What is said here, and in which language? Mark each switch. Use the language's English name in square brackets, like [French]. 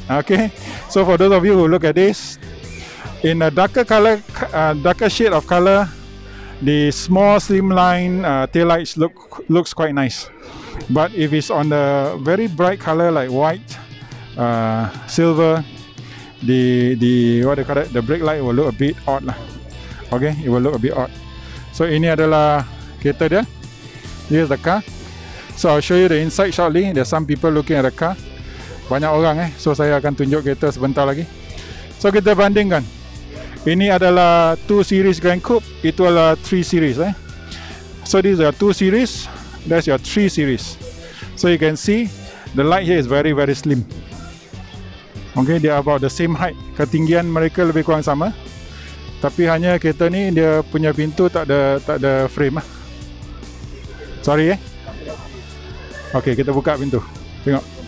[English] Okay, so for those of you who look at this in a darker color, darker shade of color, the small slimline taillights looks quite nice. But if it's on the very bright color like white, silver, the brake light will look a bit odd lah. Okay, it will look a bit odd. [Malay] So ini adalah kereta dia. [English] Here's the car. So I'll show you the inside shortly. There's some people looking at the car. [Malay] Banyak orang . So saya akan tunjuk kereta sebentar lagi. So kita bandingkan. Ini adalah 2 Series Grand Coupe. Itu adalah 3 Series . [English] So this is your 2 Series. That's your 3 Series. So you can see The light here is very very slim. Okay, they are about the same height. [Malay] Ketinggian mereka lebih kurang sama. Tapi hanya kereta ni dia punya pintu tak ada frame. Sorry eh. Okay, kita buka pintu. Tengok.